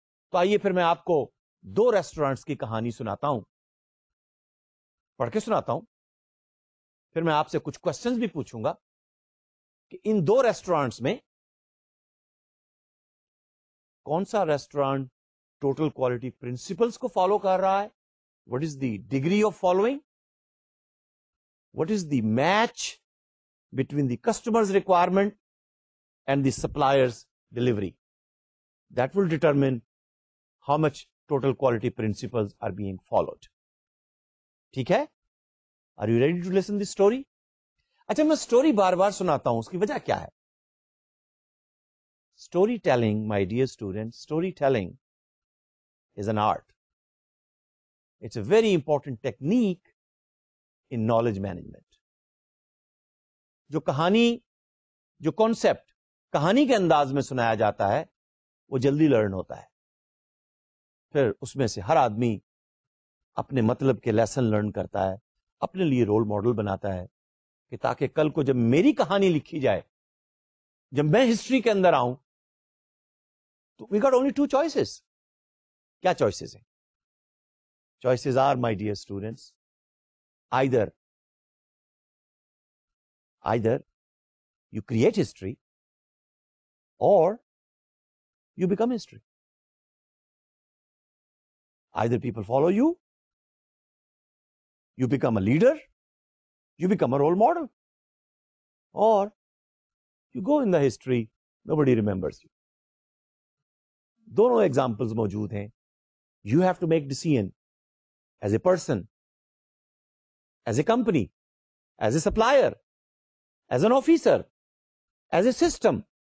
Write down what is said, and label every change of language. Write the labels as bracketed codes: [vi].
[ur] تو آئیے پھر میں آپ کو دو ریسٹورینٹس کی کہانی سناتا ہوں, پڑھ کے سناتا ہوں, پھر میں آپ سے کچھ کوشچنس بھی پوچھوں گا کہ ان دو ریسٹورینٹس میں کون سا ریسٹورینٹ ٹوٹل کوالٹی پرنسپلس کو فالو کر رہا ہے, [en] What is the degree of following, what is the match between the customer's requirement and the supplier's delivery. That will determine how much total quality principles are being followed. [ur] Theek hai? [en] Are you ready to listen this story? [ur] اچھا میں story بار بار سناتا ہوں, اس کی وجہ کیا ہے؟ Story telling [en] My dear student, story telling is an art. It's a very important technique in knowledge management. [ur] جو کہانی, جو کانسیپٹ کہانی کے انداز میں سنایا جاتا ہے وہ جلدی لرن ہوتا ہے, پھر اس میں سے ہر آدمی اپنے مطلب کے لیسن لرن کرتا ہے, اپنے لیے رول ماڈل بناتا ہے کہ تاکہ کل کو جب میری کہانی لکھی جائے, جب میں ہسٹری کے اندر آؤں تو [en] We got only two choices. [ur] کیا چوائسیز ہیں؟ [en] Choices are my dear students, either you create history or you become history. Either people follow you, you become a leader, you become a role model, or you go in the history, nobody remembers you. [ur] دونوں examples موجود ہیں. [en] You have to make decision as a person, as a company, as a supplier, as an officer, as a system.